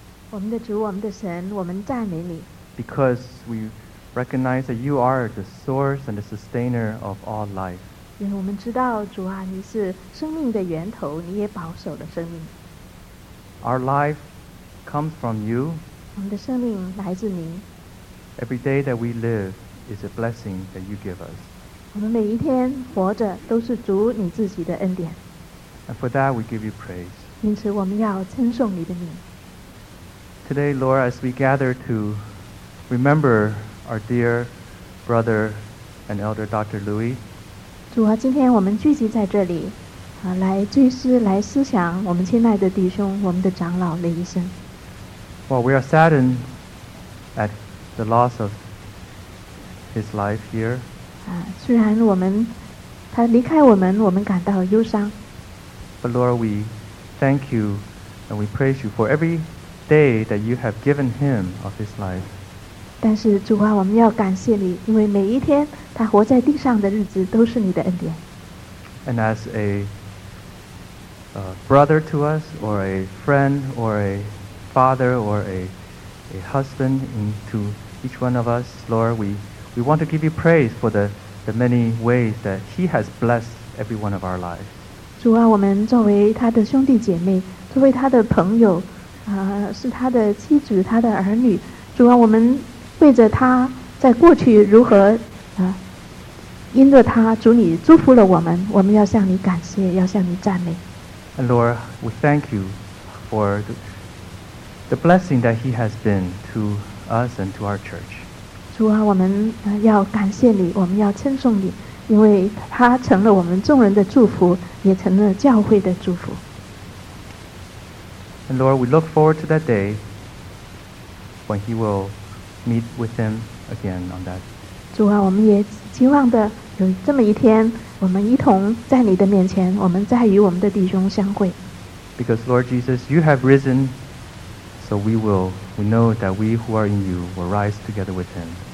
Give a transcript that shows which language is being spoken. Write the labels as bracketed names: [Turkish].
[Chinese] 我们的主，我们的神，我们赞美你。 [English] Because we recognize that you are the source and the sustainer of all life. [Chinese] 因为我们知道，主啊，你是生命的源头，你也保守了生命。 [English] Our life comes from you. [Chinese] 我们的生命来自你。 [English] Every day that we live is a blessing that you give us. [Chinese] 我们每一天活着都是主你自己的恩典。 [English] And for that, we give you praise. [Chinese] 因此，我们要称颂你的名。 [English] Today, Lord, as we gather to remember our dear brother and elder Dr. Louis. [Chinese] 主啊，今天我们聚集在这里，啊，来追思，来思想我们亲爱的弟兄，我们的长老雷医生。 [English] Well, we are saddened at the loss of his life here. [Chinese] 啊，虽然我们他离开我们，我们感到忧伤。 [English] But Lord, we thank you and we praise you for every day that you have given him of his life. [Chinese] 但是主啊，我们要感谢你，因为每一天他活在地上的日子都是你的恩典。 [English] And as a brother to us, or a friend, or a father, or a husband to each one of us, Lord, we want to give you praise for the many ways that he has blessed every one of our lives. [Chinese] 主啊，我们作为他的兄弟姐妹，作为他的朋友，是他的妻子，他的儿女。主啊，我们为着他在过去如何，因着他，主你祝福了我们，我们要向你感谢，要向你赞美。 [English] And Lord, we thank you for the blessing that he has been to us and to our church. [Chinese] 主啊，我们要感谢你，我们要称颂你。因为他成了我们众人的祝福，也成了教会的祝福。 [English] And Lord, we look forward to that day when he will meet with him again on that. [Chinese] 主啊，我们也期望的有这么一天，我们一同在你的面前，我们再与我们的弟兄相会。 [English] Because Lord Jesus, you have risen, so we know that we who are in you will rise together with him.